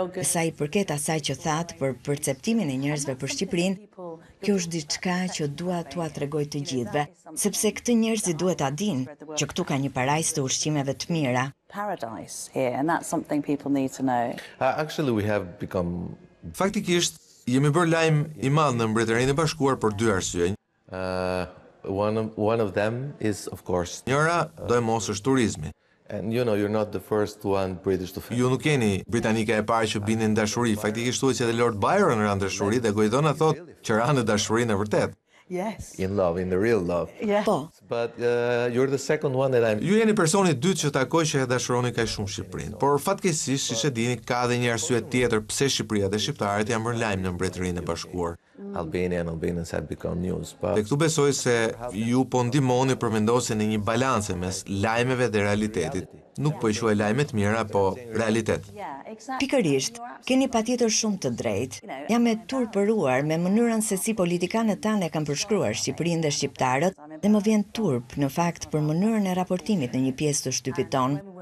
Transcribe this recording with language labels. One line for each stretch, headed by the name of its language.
Albanian: Sa i përket asaj që that për perceptimin e njerëzve për Shqipërinë, kjo është diçka që dua t'ua tregoj të gjithëve, sepse këtë njerëzit duhet ta dinë që këtu ka një parajsë të ushqimeve të mira.
English: Paradise here, and that's something people need to know. Actually, we have become...
Albanian: Faktikisht, jemi bërë lajm i madh në Mbretërinë e Bashkuar për dy arsye.
English: One of them is of course.
Albanian: Njëra do e mos është turizmi.
English: And you know you're not the first one British to.
Albanian: Ju nuk jeni britanika e parë që bindin në dashuri. Faktikisht thuhet se edhe Lord Byron ran në dashuri dhe Goidona thot që ran në dashurinë e vërtet.
English: Yes. In love, in the real love. Yeah.
Albanian: Po.
English: But you're the second one that I'm.
Albanian: Ju jeni personi dytë që takoj që e dashuroni kaq shumë Shqipërinë. Por fatkeqësisht, siç e dini, ka edhe një arsye tjetër pse Shqipëria dhe shqiptarët janë bërë lajm në Mbretërinë e Bashkuar.
English: Albania and Albanians have become news. But...
Albanian: Dhe këtu besoj se ju po ndihmoni për vendosje në një balance mes lajmeve dhe realitetit. Nuk po e quaj lajme të mira, po realitet. Pikërisht, keni patjetër shumë të drejtë. Jam e turpëruar me mënyrën se si politikanët tanë kanë përshkruar Shqipërinë dhe shqiptarët dhe më vjen turp në fakt për mënyrën e raportimit në një pjesë të shtypit tonë.